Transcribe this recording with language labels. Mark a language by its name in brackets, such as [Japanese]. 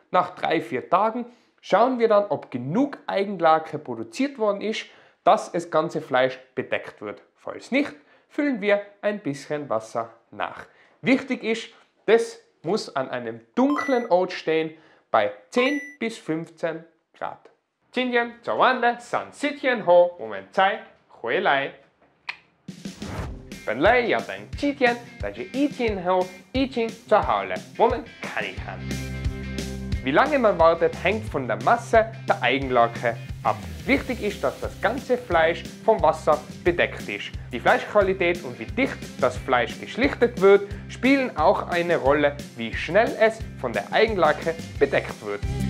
[German] Nach 3-4 Tagen schauen wir dann, ob genug Eigenlake produziert worden ist, dass das ganze Fleisch bedeckt wird. Falls nicht, füllen wir ein bisschen Wasser nach. Wichtig ist, das muss an einem dunklen Ort stehen, bei 10 bis 15 Grad. [Chinese] 今天做完了3、4天后，我们再回来。本来要等7天，但是1天后已经做好了。我们看一看。 [German] Wie lange man wartet, hängt von der Masse der Eigenlake ab. Wichtig ist, dass das ganze Fleisch vom Wasser bedeckt ist. Die Fleischqualität und wie dicht das Fleisch geschlichtet wird, spielen auch eine Rolle, wie schnell es von der Eigenlake bedeckt wird.